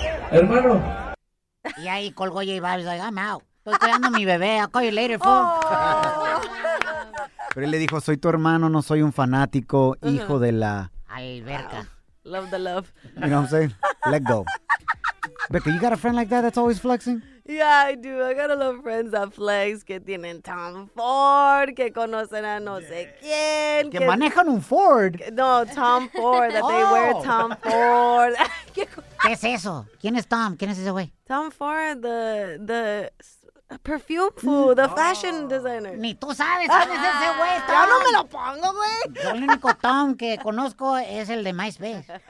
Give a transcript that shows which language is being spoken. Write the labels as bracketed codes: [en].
[es] Hermano. Y ahí colgó J Balvin, [en] like, I'm out. [es] Estoy cuidando a mi bebé. [en] I'll call you later, fool. [es] Pero él le dijo, soy tu hermano, no soy un fanático, hijo de la. Alberca. [en] Love the love. You know what I'm saying? Let go. Becca, you got a friend like that that's always flexing? Yeah, I do. I got a lot of friends that flex, [es] que tienen Tom Ford, que conocen a no sé quién. Que manejan un Ford. [en] No, Tom Ford, that they wear Tom Ford. [es] ¿Qué es eso? ¿Quién es Tom? ¿Quién es ese güey? [en] Tom Ford, the perfume fool, the fashion designer. [es] Ni tú sabes quién es ese güey, Tom. Ya no me lo pongo, güey. Yo el único Tom que conozco es el de MySpace.